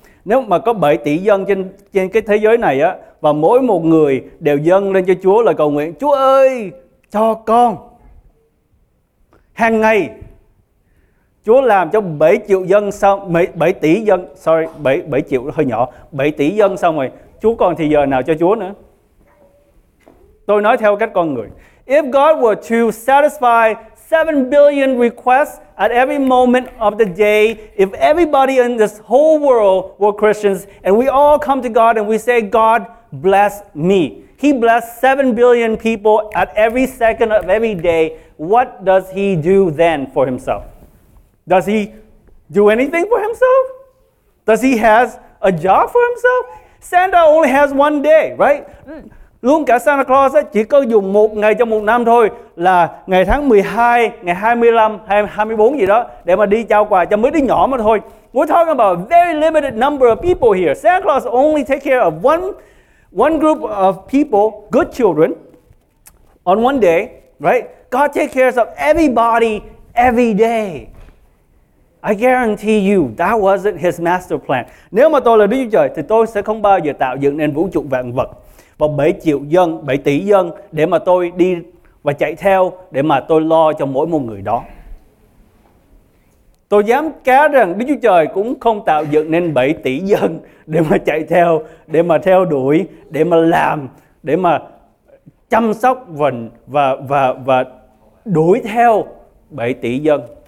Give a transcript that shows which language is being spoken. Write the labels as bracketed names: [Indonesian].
[Vietnamese] Nếu mà có 7 tỷ dân trên cái thế giới này á, và mỗi một người đều dâng lên cho Chúa lời cầu nguyện: Chúa ơi, cho con. Hàng ngày Chúa làm cho 7 triệu dân xong, 7 tỷ dân, [English] sorry, [Vietnamese] 7 triệu hơi nhỏ, 7 tỷ dân xong rồi, Chúa còn thì giờ nào cho Chúa nữa? Tôi nói theo cách con người. [English] If God were to satisfy 7 billion requests at every moment of the day, if everybody in this whole world were Christians and we all come to God and we say, God bless me, He blessed 7 billion people at every second of every day, what does He do then for Himself? Does He do anything for Himself? Does He has a job for Himself? Santa only has one day, right? [Vietnamese] Luôn cả Santa Claus chỉ có dùng một ngày trong một năm thôi, là ngày tháng 12, ngày 25, hay 24 gì đó, để mà đi trao quà cho mấy đứa nhỏ mà thôi. [English] We're talking about a very limited number of people here. Santa Claus only take care of one group of people, good children, on one day, right? God takes care of everybody every day. I guarantee you, that wasn't His master plan. [Vietnamese] Nếu mà tôi là Đức Chúa Trời, thì tôi sẽ không bao giờ tạo dựng nên vũ trụ vạn vật và 7 triệu dân, 7 tỷ dân để mà tôi đi và chạy theo để mà tôi lo cho mỗi một người đó. Tôi dám cá rằng Đức Chúa Trời cũng không tạo dựng nên 7 tỷ dân để mà chạy theo, để mà theo đuổi, để mà làm, để mà chăm sóc và đuổi theo 7 tỷ dân.